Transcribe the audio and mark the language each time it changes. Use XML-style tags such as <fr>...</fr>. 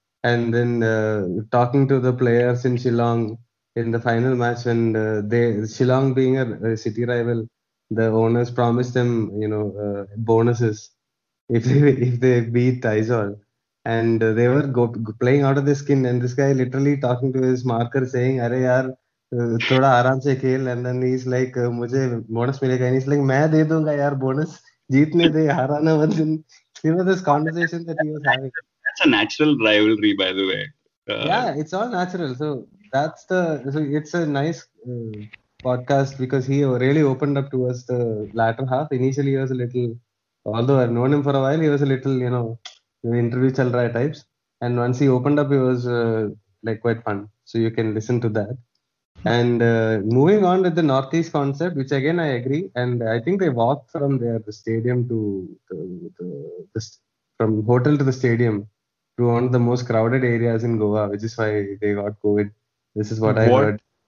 <en>And then talking to the players in Shillong in the final match, and Shillong being a city rival, the owners promised them, you know, bonuses if they beat Aizawl. And they were playing out of their skin. And this guy literally talking to his marker saying,</en> <hi>"Arey yaar, थोड़ा आराम से खेल."</hi> <en>and then he is like</en> <hi>मुझे bonus मिलेगा, is like मैं दे दूंगा यार bonus, जीतने दे, हाराना मत दिन.</hi> <en>You know this conversation that he was having, that's a natural rivalry by the way. Yeah it's all natural. So that's the so it's a nice podcast because he really opened up towards the latter half. Initially he was a little, although I known him for a while, he was a little you know interview</en> <hi>चल रहा है</hi> <en>Types. And once he opened up he was like quite fun. So you can listen to that. And moving on with the Northeast concept, which again I agree, and I think they walked from there, the stadium to from hotel to the stadium, to one of the most crowded areas in Goa, which is why they got COVID. This is what I heard.</en>